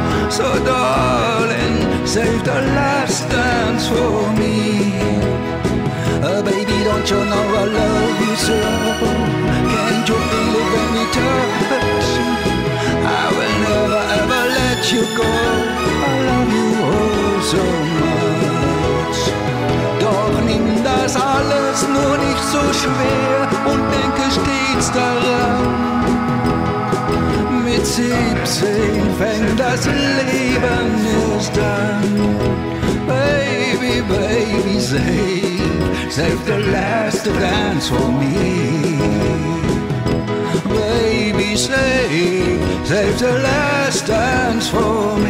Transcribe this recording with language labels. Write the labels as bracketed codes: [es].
[en] So darling, save the last dance for me. Baby, don't you know I love you so? Can't you feel it when we touch? I will never ever let you go. I love you oh so much. [de] Doch nimm das alles nur nicht so schwer und denke stets daran. Mit 17 fängt das Leben erst an. [en] Baby, baby, save the last dance for me. Baby, save the last dance for me.